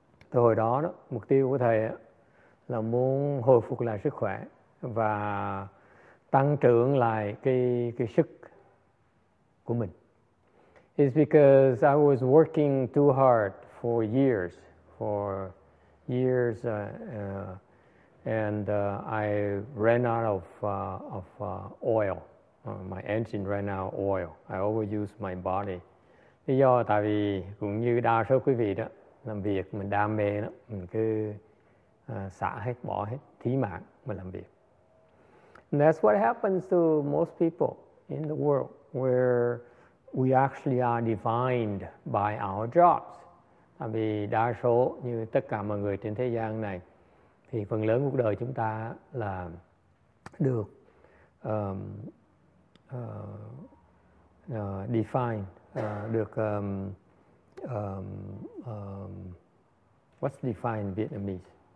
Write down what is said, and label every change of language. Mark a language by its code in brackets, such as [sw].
[vi] Từ hồi đó, đó mục tiêu của thầy là muốn hồi phục lại sức khỏe và tăng trưởng lại cái sức của mình. [en] It's because I was working too hard for years, I ran out of oil. My engine ran out of oil. I overused my body. [vi] Lý do tại vì cũng như đa số quý vị đó, làm việc mình đam mê đó, mình cứ xả hết, bỏ hết, thí mạng mà làm việc. [en] And that's what happens to most people in the world where we actually are defined by our jobs. [vi] Vì đa số như tất cả mọi người trên thế gian này thì phần lớn cuộc đời chúng ta là được define được [en] what's defined in Vietnamese?